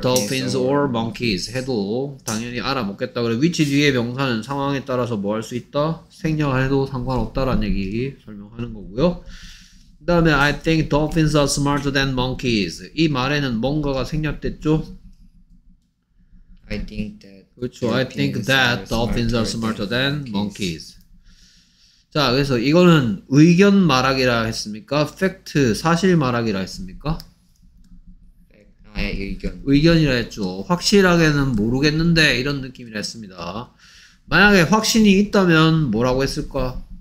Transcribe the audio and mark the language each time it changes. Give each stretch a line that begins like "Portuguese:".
English: dolphins or monkeys
Korean: 해도 당연히 알아먹겠다. 그래, which 뒤에 명사는 상황에 따라서 뭐 할 수 있다? 생략해도 상관없다라는 얘기 설명하는 거고요. 그 다음에
English: I think dolphins are smarter than monkeys. 이 말에는 뭔가가 생략됐죠? I think that
Korean: 그렇죠.
English: I think that dolphins are smarter than monkeys.
Korean: 자, 그래서 이거는 의견 말하기라 했습니까? Fact, 사실 말하기라 했습니까? 아예 의견. 의견이라 했죠. 확실하게는 모르겠는데 이런 느낌이라 했습니다. 만약에 확신이 있다면 뭐라고 했을까?